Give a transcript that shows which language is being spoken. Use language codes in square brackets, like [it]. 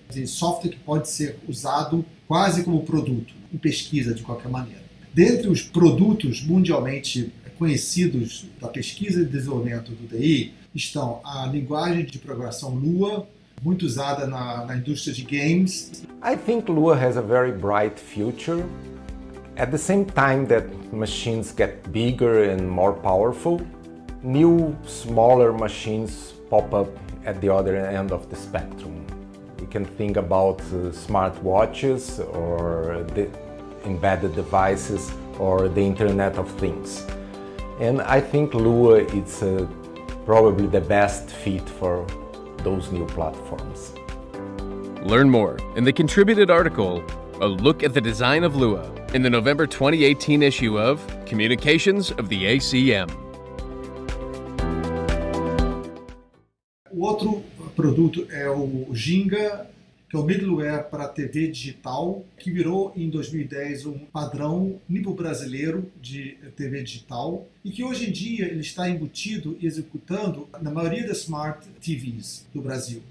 [pt] De software que pode ser usado quase como produto, em pesquisa, de qualquer maneira. Dentre os produtos mundialmente conhecidos da pesquisa e desenvolvimento do DI, estão a linguagem de programação Lua, muito usada na indústria de games. [en] I think Lua has a very bright future. At the same time that machines get bigger and more powerful, new, smaller machines pop up at the other end of the spectrum. You can think about smartwatches or the embedded devices or the Internet of Things. And I think Lua is probably the best fit for those new platforms. Learn more in the contributed article, A Look at the Design of Lua, in the November 2018 issue of Communications of the ACM. [pt] Outro produto é o Jenga, que é o middleware para TV digital, que virou em 2010 um padrão nível brasileiro de TV digital e que hoje em dia ele está embutido e executando na maioria das smart TVs do Brasil.